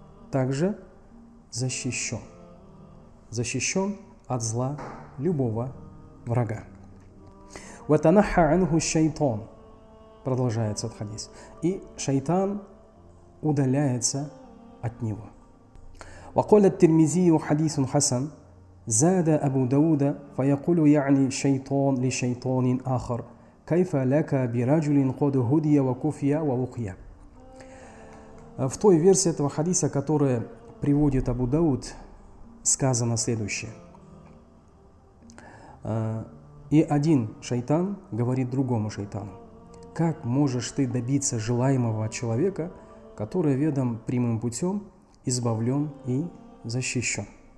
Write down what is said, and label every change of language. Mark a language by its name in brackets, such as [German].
[Russian] Также защищен. Защищен от зла любого врага. [Arabic] «Ватанахха анху шайтан» [Russian] продолжается от хадис. И шайтан удаляется от него. [Arabic] «Ваколя тирмизию хадисун хасан». زاد أبو داود فيقول يعني شيطان لشيطان آخر كيف لك برجل قد هدي وكفي ووقي. [Russian] В той версии этого хадиса, которую приводит Абу Дауд, сказано следующее. И один шайтан говорит другому шайтану: как можешь ты добиться желаемого от человека, который ведом прямым путем избавлен и защищен?